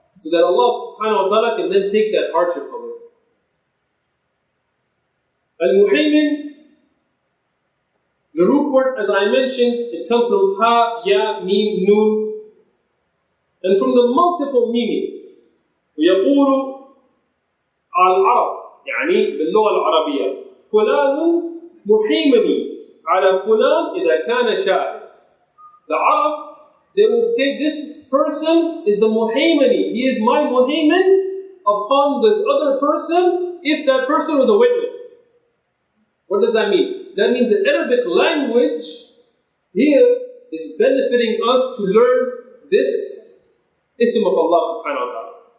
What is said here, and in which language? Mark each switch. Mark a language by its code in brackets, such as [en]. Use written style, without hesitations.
[en] So that Allah subhanahu wa ta'ala can then take that hardship from it. Al-Muhaymin, the root word, as I mentioned, it comes from ha, ya, mim, noon, and from the multiple meanings. [ar] ويقول على العرب يعني باللغة العربية فلان محيمني على فلان إذا كان شاعر. [en] The Arab, they would say this person is the muhaymani, he is my muhayman upon this other person if that person was a witness. What does that mean? That means the Arabic language here is benefiting us to learn this ism of Allah subhanahu wa ta'ala.